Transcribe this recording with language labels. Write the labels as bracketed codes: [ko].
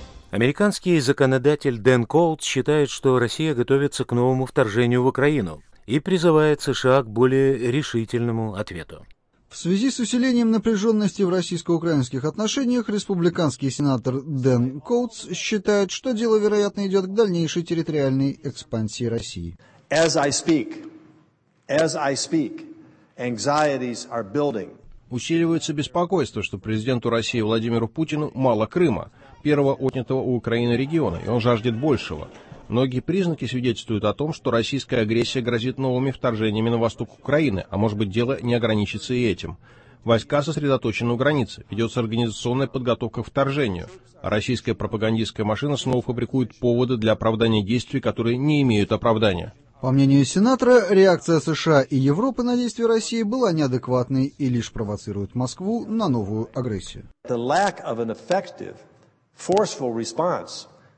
[ru] Американский законодатель Дэн Коутс считает, что Россия готовится к новому вторжению в Украину и призывает США к более решительному ответу. В связи с усилением напряженности в российско-украинских отношениях, республиканский сенатор Дэн Коутс считает, что дело, вероятно, идет к дальнейшей территориальной экспансии России. [en] As I speak, anxieties are building. [ru] Усиливается беспокойство, что президенту России Владимиру Путину мало Крыма, первого отнятого у Украины региона, и он жаждет большего. Многие признаки свидетельствуют о том, что российская агрессия грозит новыми вторжениями на восток Украины, а может быть, дело не ограничится и этим. Войска сосредоточены у границы, ведется организационная подготовка к вторжению. Российская пропагандистская машина снова фабрикует поводы для оправдания действий, которые не имеют оправдания. По мнению сенатора, реакция США и Европы на действия России была неадекватной и лишь провоцирует Москву на новую агрессию. [en] The lack of an effective, forceful response.